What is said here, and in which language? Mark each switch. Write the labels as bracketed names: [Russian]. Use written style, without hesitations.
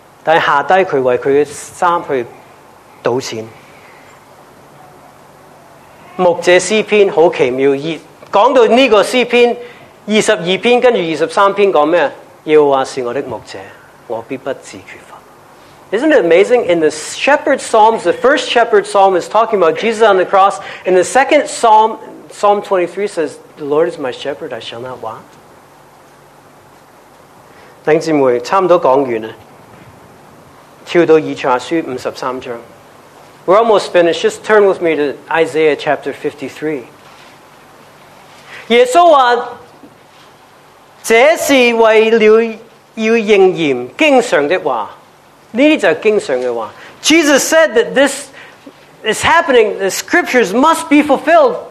[Chinese] 但是下低他为他的衫去赌钱。牧者诗篇很奇妙，讲到这个诗篇22篇跟着23篇讲什么？耶和华是我的牧者，我必不致缺乏。 [English] Isn't it amazing? In the Shepherd Psalms, the first Shepherd Psalm is talking about Jesus on the cross. In the second Psalm, Psalm 23 says, The Lord is my shepherd, I shall not want. [Chinese] 弟兄姊妹，差不多讲完了，跳到以赛亚书53章。 [English] We're almost finished. Just turn with me to Isaiah chapter 53. [Chinese] 耶稣说，这是为了要应验经常的话。这些就是经常的话。 [English] Jesus said that this is happening, the scriptures must be fulfilled.